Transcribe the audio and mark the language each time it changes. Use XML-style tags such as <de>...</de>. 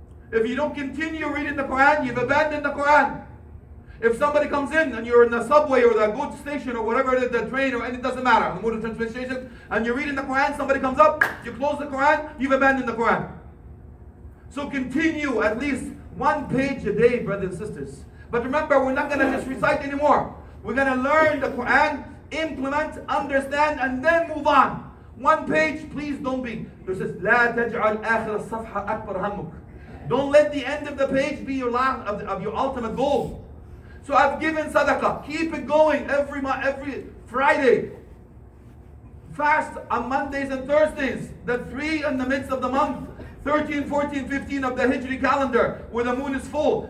<en>If you don't continue reading the Quran, you've abandoned the Quran. If somebody comes in and you're in the subway or the goods station or whatever it is, the train or anything, it doesn't matter, the mode of transportation, and you're reading the Quran, somebody comes up, you close the Quran, you've abandoned the Quran. So continue at least one page a day, brothers and sisters. But remember, we're not going to just recite anymore. We're going to learn the Quran, implement, understand, and then move on. One page, please don't be. There's this,</en> <ar>لا تجعل آخر الصفحة أكبر همك.</ar> <en>Don't let the end of the page be your last of your ultimate goal. So I've given sadaqah, keep it going every Friday. Fast on Mondays and Thursdays, the three in the midst of the month, 13, 14, 15 of the Hijri calendar, where the moon is full.</en>